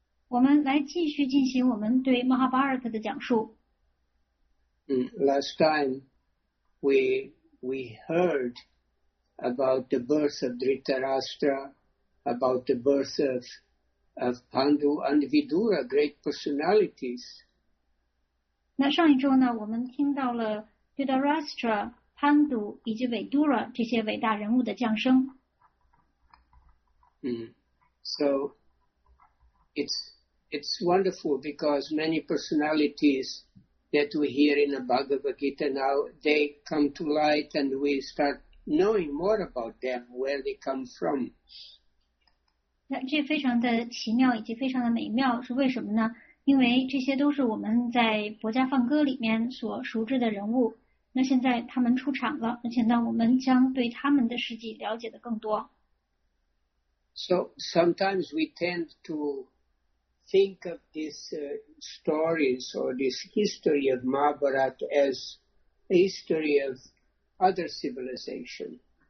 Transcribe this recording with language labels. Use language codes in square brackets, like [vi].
[zh] 我们来继续进行我们对马哈巴尔特的讲述。 [en] Last time we heard about the birth of Dhritarashtra, about the birth of Pandu and Vidura, great personalities. [zh] 那上一周呢，我们听到了 Dhritarashtra、潘都以及韦杜拉这些伟大人物的降生。 [en] So it's wonderful because many personalities that we hear in the Bhagavad Gita now, they come to light and we start knowing more about them, where they come from. [zh] 那这非常的奇妙以及非常的美妙，是为什么呢？因为这些都是我们在《薄伽梵歌》里面所熟知的人物。那现在他们出场了，而且呢，我们将对他们的事迹了解的更多。 [en] So sometimes we tend to think of these stories or this history of Mahabharata as a history of other civilization.